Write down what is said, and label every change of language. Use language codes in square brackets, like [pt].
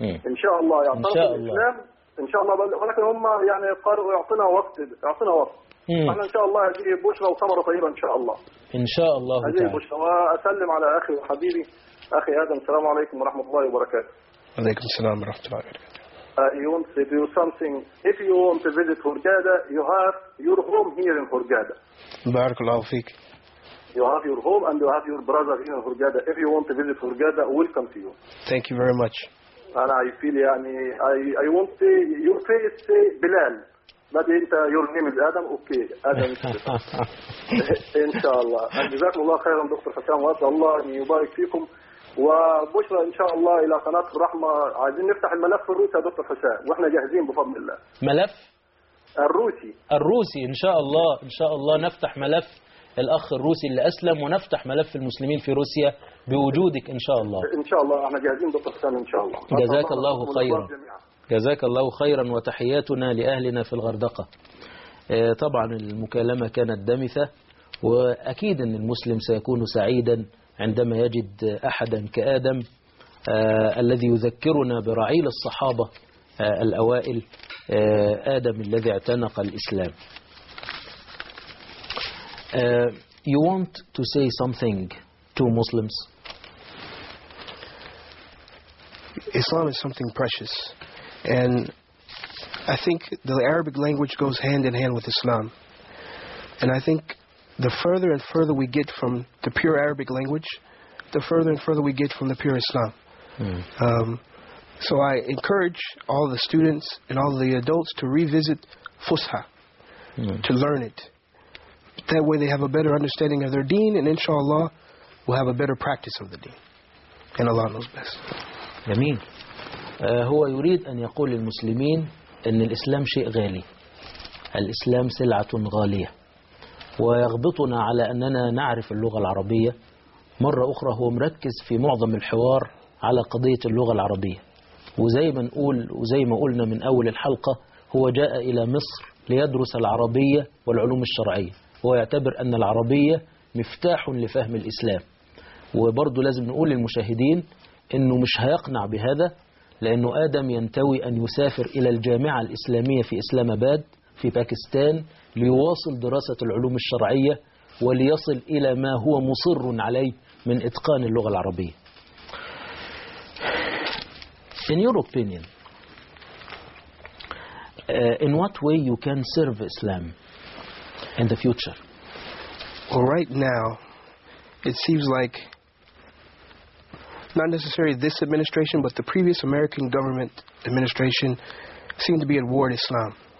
[ar] ان شاء الله يعطينا الاسلام ان شاء الله، ولكن هم يعني قرروا يعطينا وقت. احنا ان شاء الله هذه بشرى وثمره طيبه ان شاء الله. ان شاء الله هذه بشرى. واسلم على اخي وحبيبي اخي ادم. السلام عليكم ورحمه الله وبركاته. وعليكم السلام ورحمه الله وبركاته. [en] You want to do something. If you want to visit Hurghada, you have your home here in Hurghada. [ar] بارك الله فيك. [en] You have your home and you have your brother here in Hurghada. If you want to visit Hurghada, welcome to you. Thank you very much. And I feel يعني I want to see your face say Bilal. But انت your name is Adam. [ar] Okay, Adam. إن شاء الله. جزاك الله خيرا دكتور حسام. وأسأل الله أن يبارك فيكم. وبشرى ان شاء الله الى قناه الرحمه. عايزين نفتح الملف الروسي يا دكتور حسام واحنا جاهزين بفضل الله. ملف الروسي. الروسي ان شاء الله. ان شاء الله نفتح ملف الاخ الروسي اللي اسلم ونفتح ملف المسلمين في روسيا بوجودك ان شاء الله. ان شاء الله احنا جاهزين دكتور حسام ان شاء الله. جزاك الله خيرا. جزاك الله خيرا وتحياتنا لاهلنا في الغردقه. طبعا المكالمه كانت دمثه واكيد ان المسلم سيكون سعيدا عندما يجد أحدا كآدم الذي يذكرنا برعيل الصحابة الأوائل آدم الذي اعتنق الإسلام. [en] You want to say something to Muslims? Islam is something precious, and I think the Arabic language goes hand in hand with Islam, and I think the further and further we get from the pure Arabic language, the further and further we get from the pure Islam. So I encourage all the students and all the adults to revisit Fusha, to learn it. That way they have a better understanding of their deen, and inshallah will have a better practice of the deen. And Allah knows best. Yameen. [ar] هو يريد أن يقول للمسلمين أن الإسلام شيء غالي. الإسلام سلعة غالية. ويغبطنا على أننا نعرف اللغة العربية. مرة أخرى هو مركز في معظم الحوار على قضية اللغة العربية. وزي ما نقول وزي ما قلنا من أول الحلقة هو جاء إلى مصر ليدرس العربية والعلوم الشرعية. هو يعتبر أن العربية مفتاح لفهم الإسلام. وبرضو لازم نقول للمشاهدين أنه مش هيقنع بهذا لأنه آدم ينتوي أن يسافر إلى الجامعة الإسلامية في إسلام أباد في باكستان ليواصل دراسة العلوم الشرعية وليصل إلى ما هو مصر عليه من إتقان اللغة العربية. [en] In your opinion, in what way you can serve Islam in the future? Well, right now, it seems like not necessarily this administration, but the previous American government administration seemed to be at war with Islam.